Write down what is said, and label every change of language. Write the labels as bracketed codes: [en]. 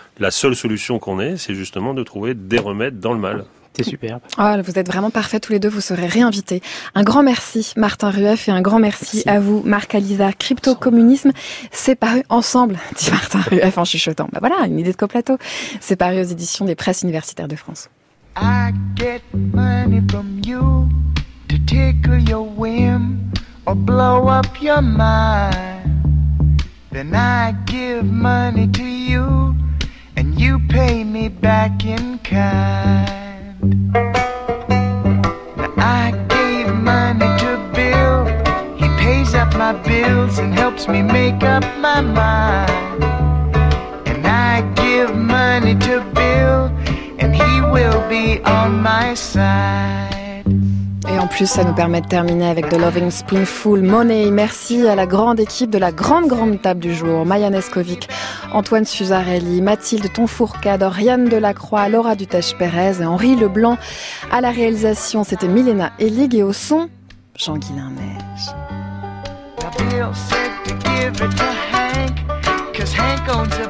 [fr] La seule solution qu'on ait, c'est justement de trouver des remèdes dans le mal. C'est superbe. Oh, vous êtes vraiment parfaits tous les deux, vous serez réinvités. Un grand merci Martin Rueff et un grand merci à vous Marc Alizard. Crypto-communisme, c'est paru ensemble, dit Martin Rueff en chuchotant. Voilà, une idée de coplateau. C'est paru aux éditions des Presses universitaires de France. [en] I get money from you to tickle your whim or blow up your mind. Then I give money to you, and you pay me back in kind. Now I gave money to Bill. He pays up my bills and helps me make up my mind. And I give money to Bill, and he will be on my side. [fr] Et en plus, ça nous permet de terminer avec The Loving Spoonful Money. Merci à la grande équipe de la grande table du jour. Maya Neskovic, Antoine Suzarelli, Mathilde Tonfourcade, Oriane Delacroix, Laura Dutèche-Pérez et Henri Leblanc. À la réalisation, c'était Milena Elig et au son, Jean-Guilain Neige.